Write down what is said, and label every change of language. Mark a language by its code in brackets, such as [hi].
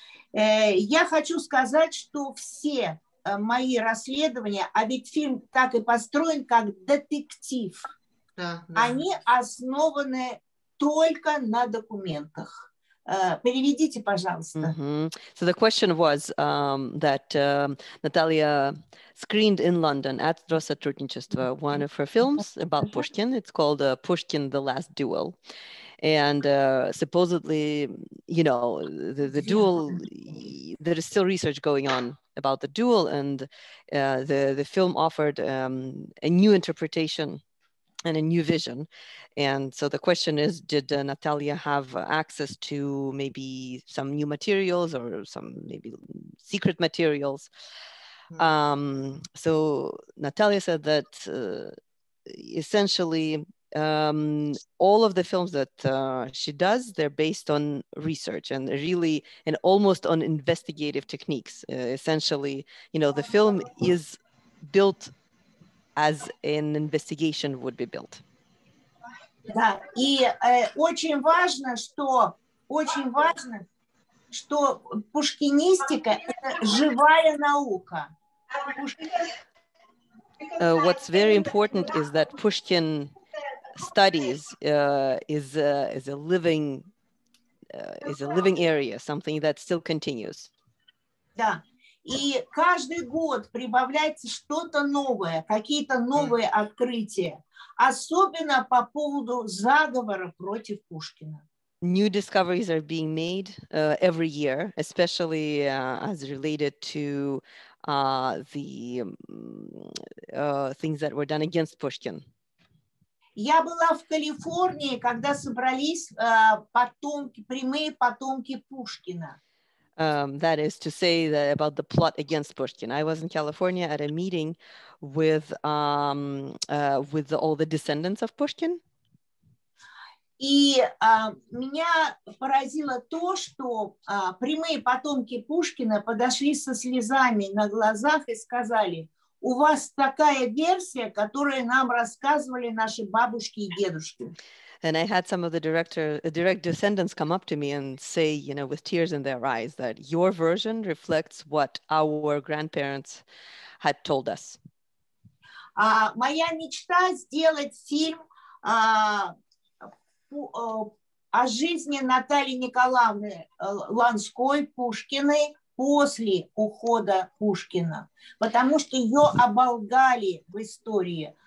[ru] Я хочу сказать, что все мои расследования, а ведь фильм так и построен, как детектив, да, да, они основаны только на документах. Переведите, пожалуйста. Mm-hmm. [en] So the question was that Natalia screened in London at Rossotrudnicheство one of her films about Pushkin. It's called Pushkin, The Last Duel. And supposedly, you know, the duel, there is still research going on about the duel, and the film offered a new interpretation and a new vision. And so the question is, did Natalia have access to maybe some new materials or some maybe secret materials? Mm-hmm. So Natalia said that essentially all of the films that she does, they're based on research and really and almost on investigative techniques. Essentially, you know, the film is built as an investigation would be built. [ru] Да, и очень важно, что пушкинистика – это живая наука. [en] What's very important is that Pushkin studies is a living area, something that still continues. [ru] Да. И каждый год прибавляется что-то новое, какие-то новые открытия, особенно по поводу заговора против Пушкина. [en] New discoveries are being made every year, especially as related to the things that were done against Pushkin. [ru] Я была в Калифорнии, когда собрались потомки, прямые потомки Пушкина. [en] That is to say that about the plot against Pushkin. I was in California at a meeting with all the descendants of Pushkin. [ru] И меня поразило то, что прямые потомки Пушкина подошли со слезами на глазах и сказали: у вас такая версия, которую нам рассказывали наши бабушки и дедушки. [en] And I had some of the direct descendants come up to me and say, you know, with tears in their eyes, that your version reflects what our grandparents had told us. [ru] Моя мечта сделать фильм о жизни Натальи Николаевны Ланской Пушкиной после ухода Пушкина, потому что ее оболгали в истории.